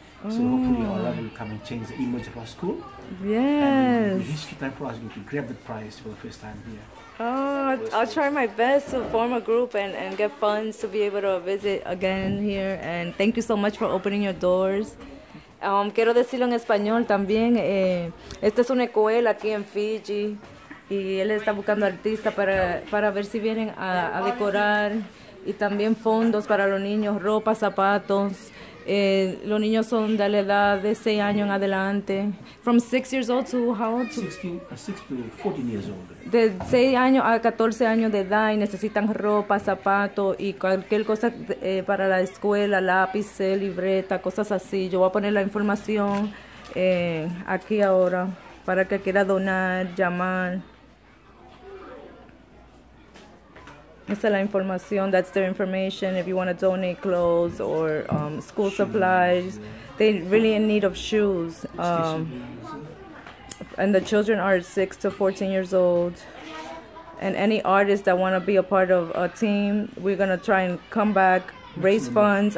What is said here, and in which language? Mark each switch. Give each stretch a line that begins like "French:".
English: So hopefully our level will come and change the image of our school. Yes. And it's time for us to grab the prize for the first time here. I'll try my best to form a group and get funds to be able to visit again here. And thank you so much for opening your doors.
Spanish: Quiero decirlo en español también. Esta es una escuela aquí en Fiji y él está buscando artistas para ver si vienen a decorar y también fondos para los niños, ropa, zapatos. Los niños son de la edad de 6 años en adelante.
English: From 6 years old to how old? 6 to 14 years old.
Spanish: De 6 años a 14 años de edad y necesitan ropa, zapatos y cualquier cosa para la escuela, lápiz, libreta, cosas así. Yo voy a poner la información aquí ahora para que quiera donar, llamar. Esa es la información,
English: that's their information, if you want to donate clothes or school supplies. They really in need of shoes. And the children are 6 to 14 years old. And any artist that want to be a part of a team, we're going to try and come back, raise funds.